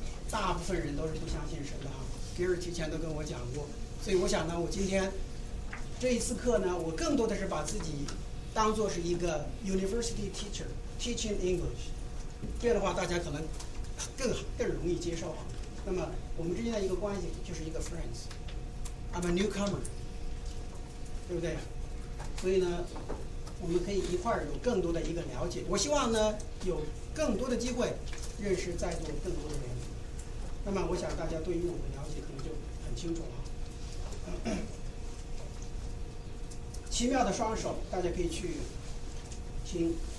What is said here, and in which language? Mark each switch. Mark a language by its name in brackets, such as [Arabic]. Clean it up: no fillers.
[Chinese] 大部分人都是不相信神的哈，别人提前都跟我讲过，所以我想呢，我今天这一次课呢，我更多的是把自己当作是一个 university teacher teaching English，这样的话大家可能更容易接受哈。那么我们之间的一个关系就是一个 friends。 [English] I'm a newcomer，对不对？ [Chinese] 所以呢我们可以一块儿有更多的一个了解。我希望呢有更多的机会认识在座更多的人。那么我想大家对于我的了解可能就很清楚了。奇妙的双手，大家可以去听。